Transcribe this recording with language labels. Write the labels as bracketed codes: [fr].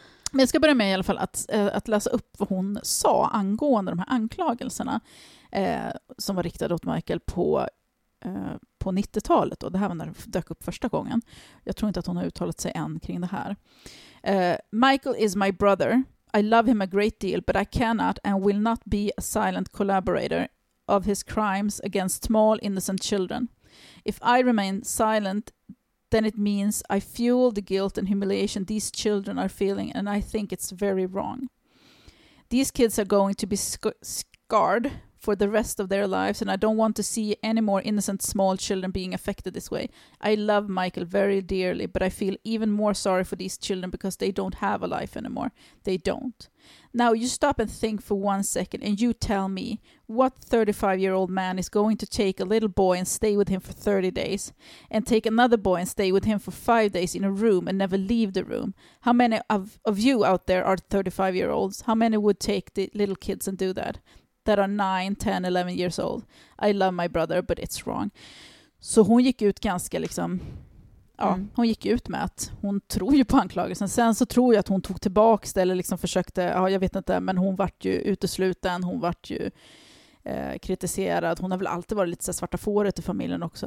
[sv] Men jag ska börja med i alla fall att läsa upp vad hon sa angående de här anklagelserna som var riktade åt Michael på 90-talet. Och det här var när det dök upp första gången. Jag tror inte att hon har uttalat sig än kring det här. [en] Michael is my brother. I love him a great deal, but I cannot and will not be a silent collaborator of his crimes against small innocent children. If I remain silent, then it means I fuel the guilt and humiliation these children are feeling, and I think it's very wrong. These kids are going to be scarred for the rest of their lives, and I don't want to see any more innocent small children being affected this way. I love Michael very dearly, but I feel even more sorry for these children because they don't have a life anymore. They don't. Now you stop and think for one second, and you tell me, what 35-year-old man is going to take a little boy and stay with him for 30 days and take another boy and stay with him for 5 days in a room and never leave the room? How many of you out there are 35-year-olds? How many would take the little kids and do that? That are 9, 10, 11 years old. I love my brother, but it's wrong. [sv] Så hon gick ut ganska liksom... Ja, hon gick ut med att hon tror ju på anklagelsen. Sen så tror jag att hon tog tillbaka det eller liksom försökte... Ja, jag vet inte, men hon vart ju utesluten. Hon vart ju kritiserad. Hon har väl alltid varit lite så svarta fåret i familjen också.